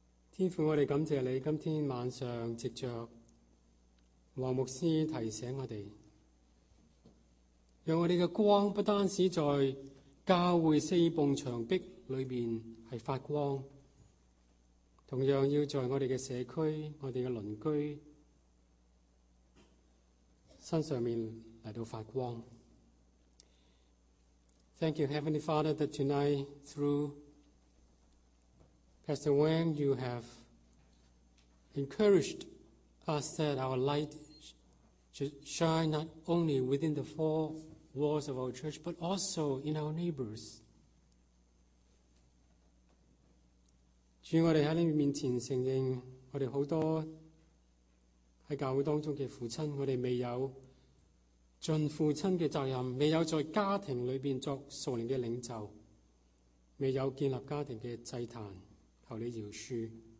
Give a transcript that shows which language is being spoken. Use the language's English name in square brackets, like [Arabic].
[Chinese] 天父，我们感谢你今天晚上藉着王牧师提醒我们，让我们的光不单止在教会四埲墙壁里面是发光，同样要在我们的社区、我们的邻居身上面来到发光。 [English] Thank you Heavenly Father that tonight through Pastor Wang you haveEncouraged us that our light should shine not only within the four walls of our church, but also in our neighbors. [Chinese] 主，我们在你面前承认，我们很多在教会当中的父亲，我们未有尽父亲的责任，未有在家庭里面作属灵的领袖，未有建立家庭的祭坛，求你饶恕。